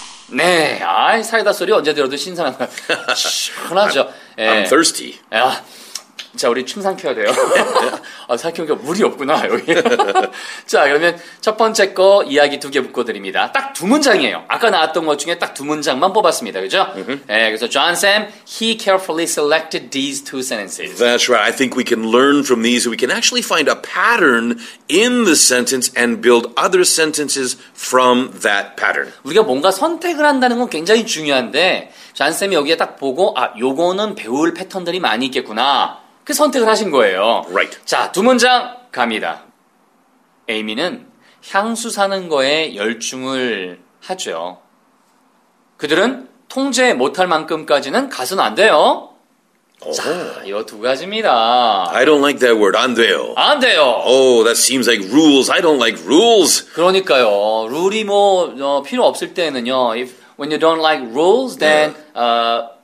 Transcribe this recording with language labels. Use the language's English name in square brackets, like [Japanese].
[Korean] 네, 아이 사이다 소리 언제 들어도 신선한 거 시원하죠. [English] I'm, 예. I'm thirsty. [Korean] 아, 자, 우리 춤 삼켜야 돼요. 아, 삼켜보니까 물이 없구나 여기. 자, 그러면 첫 번째 거 이야기 두 개 묶어드립니다. 딱 두 문장이에요. 아까 나왔던 것 중에 딱 두 문장만 뽑았습니다, 그죠? [English] 예, 그래서 John Sam, he carefully selected these two sentences. That's right. I think we can learn from these. We can actually find a pattern in the sentence and build other sentences from that pattern. [Korean] 우리가 뭔가 선택을 한다는 건 굉장히 중요한데 John Sam이 여기에 딱 보고 아, 요거는 배울 패턴들이 많이 있겠구나. 그 선택을 하신 거예요. [English] Right. [Korean] 자, 두 문장 갑니다. 에이미는 향수 사는 거에 열중을 하죠. 그들은 통제 못할 만큼까지는 가서는 안 돼요. [English] Oh. [Korean] 자, 이거 두 가지입니다. [English] I don't like that word. [Korean] 안 돼요. 안 돼요. [English] Oh, that seems like rules. I don't like rules. [Korean] 그러니까요. 룰이 뭐 필요 없을 때는요. [English] If when you don't like rules, then yeah.